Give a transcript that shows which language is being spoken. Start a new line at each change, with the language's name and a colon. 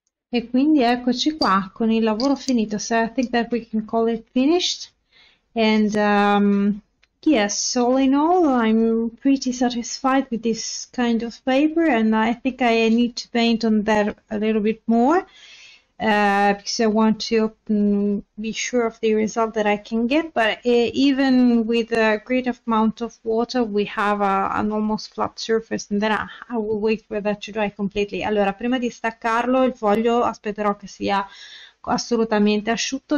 Italian: E quindi eccoci qua con il lavoro finito.
English: So I think that we can call it finished. And yes, all in all, I'm pretty satisfied with this kind of paper, and I think I need to paint on that a little bit more because I want to be sure of the result that I can get. But even with a great amount of water, we have an almost flat surface, and then I will wait for that to dry completely.
Italian: Allora, prima di staccarlo, il foglio aspetterò che sia assolutamente asciutto.